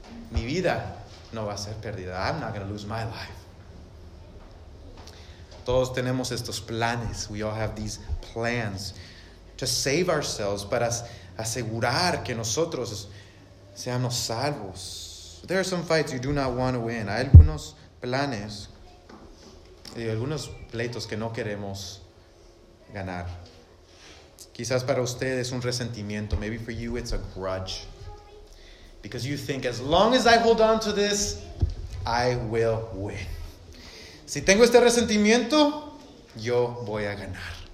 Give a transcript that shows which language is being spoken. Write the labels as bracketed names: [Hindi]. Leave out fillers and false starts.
[Spanish] Mi vida no va a ser perdida. [English] I'm not going to lose my life. [Spanish] Todos tenemos estos planes. [English] We all have these plans to save ourselves, [Spanish] para asegurar que nosotros seamos salvos. [English] There are some fights you do not want to win. [Spanish] Hay algunos planes y algunos pleitos que no queremos ganar. Quizás para usted es un resentimiento. [English] Maybe for you it's a grudge. Because you think, as long as I hold on to this, I will win. [Spanish] Si tengo este resentimiento, yo voy a ganar.